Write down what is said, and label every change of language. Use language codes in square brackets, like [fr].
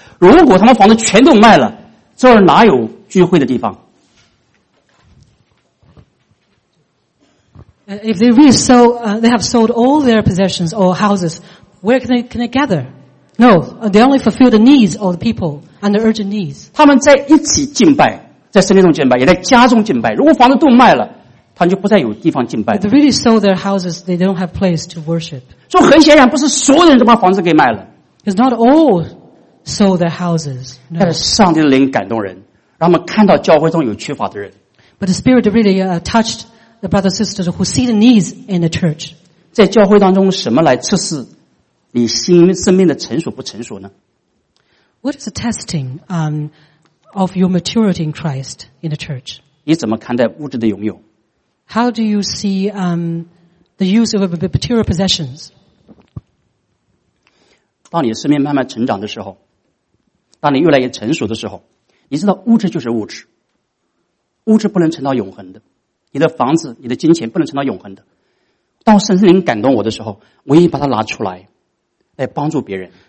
[zh] 如果他们房子全都卖了，这儿哪有聚会的地方？ [en] If they really sell, they have sold all their possessions or houses, where can they gather? No, they only fulfill the needs of the people and the urgent needs. [zh] 他们在一起敬拜，在圣殿中敬拜，也在家中敬拜。如果房子都卖了，他们就不再有地方敬拜。 [en] If they really sold their houses, they don't have place to worship. [zh] 所以很显然，不是所有人都把房子给卖了。 [en] It's not all sold their houses. No. [zh] 但是上帝的灵感动人，让他们看到教会中有缺乏的人。 [en] But the Spirit really touched. The brothers and sisters who see the needs in the church. [zh] 在教会当中，什么来测试你心生命的成熟不成熟呢？ [en] What is the testing of your maturity in Christ in the church? [zh] 你怎么看待物质的拥有？ [en] How do you see the use of material possessions? [zh] 当你的生命慢慢成长的时候，当你越来越成熟的时候，你知道物质就是物质，物质不能成到永恒的。你的房子你的金钱不能成到永恒的。当圣灵感动我的时候，我愿意把它拿出来来帮助别人。